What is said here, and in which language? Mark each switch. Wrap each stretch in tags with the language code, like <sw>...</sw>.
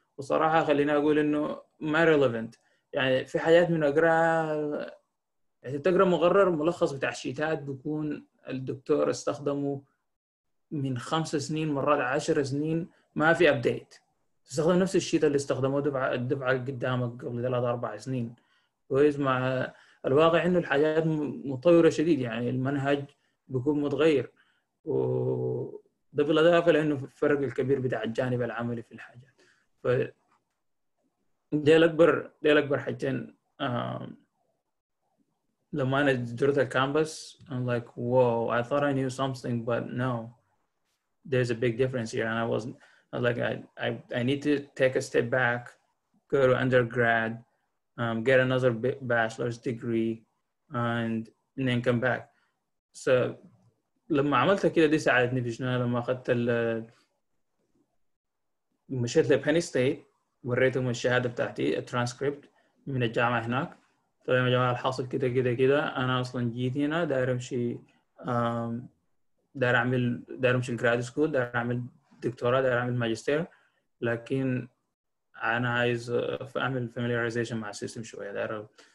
<ar>وصراحة خلينا أقول إنه ما relevant, يعني في حاجات من أقرأ يعني تقرأ مقرر ملخص بتاع شيتات بكون الدكتور استخدمه من 5 سنين مرات 10 سنين ما في update, تستخدم نفس الشيء اللي استخدمه الدفعة قدامك قبل 3-4 سنين. كويس, مع الواقع انه الحاجات متطورة شديد, يعني المنهج بيكون متغير, وده بالاضافة لانه الفرق الكبير بتاع الجانب العملي في الحاجات. ف دي الاكبر حاجتين لما انا زرت الكامبس</ar> <en>I'm like whoa I thought I knew something but no there's a big difference here. And I need to take a step back, go to undergrad, get another bachelor's degree, and then come back.</en> <ar>So لما عملت كده دي ساعدتني في شنو لما أخذت ال مشيت لبنى ستيت وريتهم الشهادة بتاعتي a transcript من الجامعة هناك. طيب يا جماعة الحاصل كده كده كده أنا أصلاً جيت هنا داير أمشي داير أمشي الجراد سكول داير أعمل دكتوراه داير أعمل ماجستير لكن أنا عايز أعمل familiarization مع السيستم شوية داير</ar>